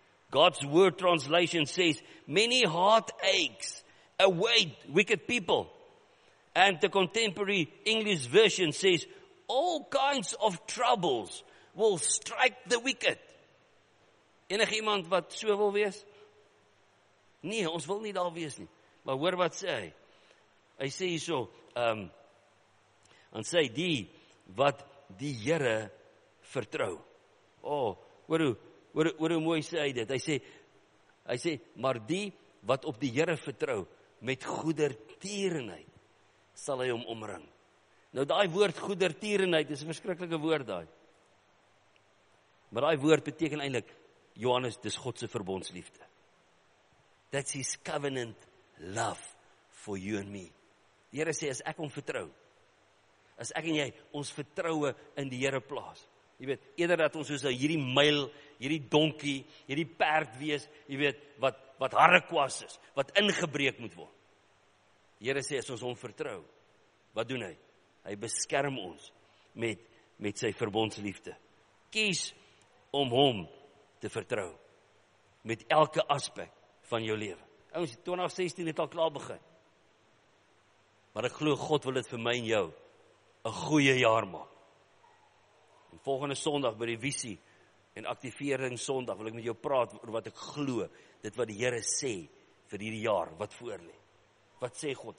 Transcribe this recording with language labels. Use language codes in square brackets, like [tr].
[en] God's word translation says, many heartaches await wicked people. And the contemporary English version says, all kinds of troubles will strike the wicked. [af] Enig iemand wat so wil wees? Nee, ons wil nie daar wees nie. Maar hoor wat sê hy. Hy sê hierso, en sê die wat die Here vertrou. Hoor hoe mooi sê hy dit. Hy sê maar die wat op die Here vertrou met goedertierenheid sal hy hom omring. Nou daai woord goedertierenheid is 'n verskriklike woord daai. Maar daai woord beteken eintlik Johannes dis God se verbondsliefde. [en] That's his covenant love for you and me. [af] Die Here sê as ek hom vertrou, as ek en jy ons vertroue in die Here plaas. Jy weet, eerder dat ons soos hierdie myl, hierdie donkie, hierdie perd wees, jy weet, wat harde kwas is, wat ingebreek moet word. Die Here sê as ons hom vertrou, wat doen hy? Hy beskerm ons met sy verbondsliefde. Kies om hom te vertrou met elke aspek van jou lewe. Ons 2016 het al klaar begin. Maar ek glo God wil dit vir my en jou 'n goeie jaar maak. En volgende Sondag by die visie en aktivering Sondag wil ek met jou praat oor wat ek glo, dit wat die Here sê vir hierdie jaar wat voor lê. Wat sê God?